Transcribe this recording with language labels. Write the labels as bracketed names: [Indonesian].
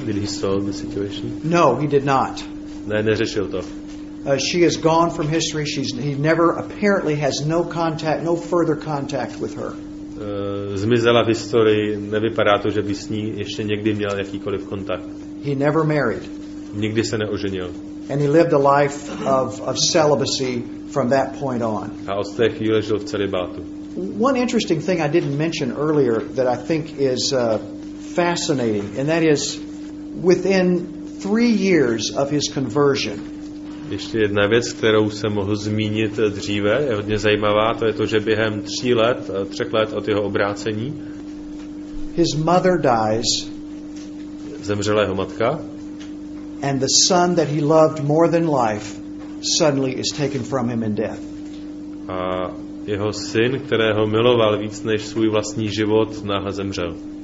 [English] Did he solve the situation? No, he did not. [Czech] Ne, neřešil to. [English] She is gone from history. He never apparently has no contact, no further contact with her. [Czech] Zmizela v historii. Nevypadá to, že by s ní ještě někdy měl jakýkoliv kontakt. [English] He never married. [Czech] Nikdy se neoženil. [English] And he lived a life of celibacy from that point on. [Czech] A od té chvíle žil v celibátu. [English] One interesting thing I didn't mention earlier that I think is fascinating, and that is within 3 years of his conversion. [Czech] Ještě jedna věc, kterou jsem mohl zmínit dříve, je hodně zajímavá, to je to, že během třech let od jeho obrácení [English] his mother dies. [Czech] Zemřela jeho matka. [English] and the son that he loved more than life suddenly is taken from him in death. [Czech] A jeho syn, kterého miloval víc než svůj vlastní život, náhle zemřel.